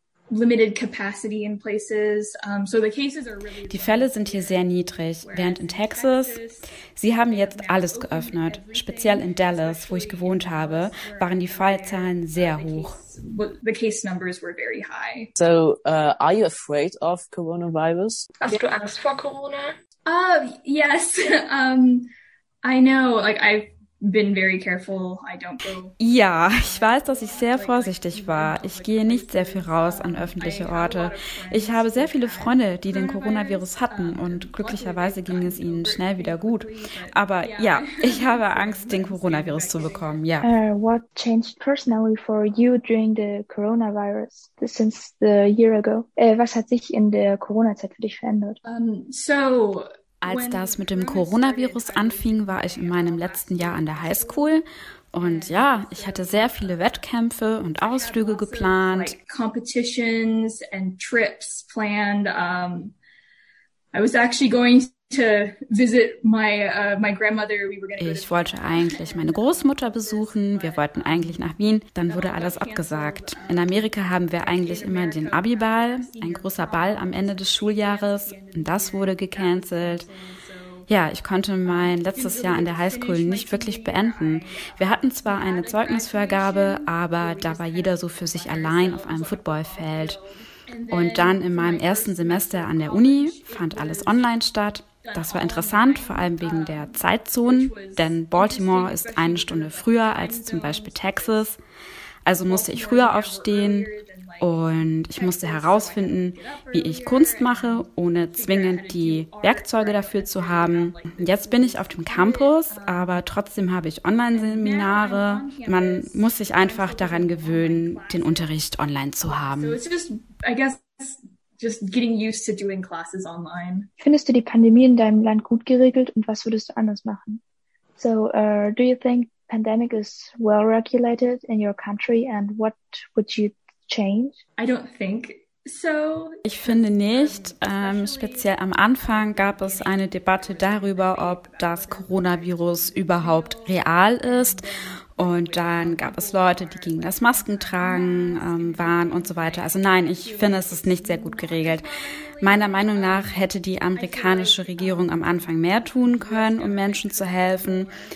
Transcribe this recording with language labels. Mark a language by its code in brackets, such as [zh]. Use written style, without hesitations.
[en] Limited capacity in places. So the cases are really. [de] Die Fälle sind hier sehr niedrig, während in Texas, sie haben jetzt alles geöffnet. Speziell in Dallas, wo ich gewohnt habe, waren die Fallzahlen sehr hoch. [en] The case numbers were very high. So, are you afraid of coronavirus? [de] Hast du Angst vor Corona? [en] Yes. I know. Like I've been very careful. I don't go. [de] Ja, ich weiß, dass ich sehr vorsichtig war. Ich gehe nicht sehr viel raus an öffentliche Orte. Ich habe sehr viele Freunde, die den Coronavirus hatten und glücklicherweise ging es ihnen schnell wieder gut. Aber ja, ich habe Angst, den Coronavirus zu bekommen. Ja. [en] What changed personally for you during the coronavirus since the year ago? [de] Was hat sich in der Corona-Zeit für dich verändert? Als das mit dem Coronavirus anfing, war ich in meinem letzten Jahr an der Highschool. Und ja, ich hatte sehr viele Wettkämpfe und Ausflüge geplant. [en] Competitions and trips planned. I was actually going to visit my grandmother. [de] Ich wollte eigentlich meine Großmutter besuchen. Wir wollten eigentlich nach Wien. Dann wurde alles abgesagt. In Amerika haben wir eigentlich immer den Abi-Ball, ein großer Ball am Ende des Schuljahres. Und das wurde gecancelt. Ja, ich konnte mein letztes Jahr an der Highschool nicht wirklich beenden. Wir hatten zwar eine Zeugnisvergabe, aber da war jeder so für sich allein auf einem Footballfeld. Und dann in meinem ersten Semester an der Uni fand alles online statt. Das war interessant, vor allem wegen der Zeitzonen, denn Baltimore ist eine Stunde früher als zum Beispiel Texas. Also musste ich früher aufstehen und ich musste herausfinden, wie ich Kunst mache, ohne zwingend die Werkzeuge dafür zu haben. Jetzt bin ich auf dem Campus, aber trotzdem habe ich Online-Seminare. Man muss sich einfach daran gewöhnen, den Unterricht online zu haben. [en] I guess just getting used to doing classes online. [de] Findest du die Pandemie in deinem Land gut geregelt und was würdest du anders machen? [en] So, do you think pandemic is well regulated in your country and what would you change? I don't think so. [de] Ich finde nicht. Speziell am Anfang gab es eine Debatte darüber, ob das Coronavirus überhaupt real ist. Und dann gab es Leute, die gegen das Maskentragen waren und so weiter. Also nein, ich finde, es ist nicht sehr gut geregelt. Meiner Meinung nach hätte die amerikanische Regierung am Anfang mehr tun können, um Menschen zu helfen.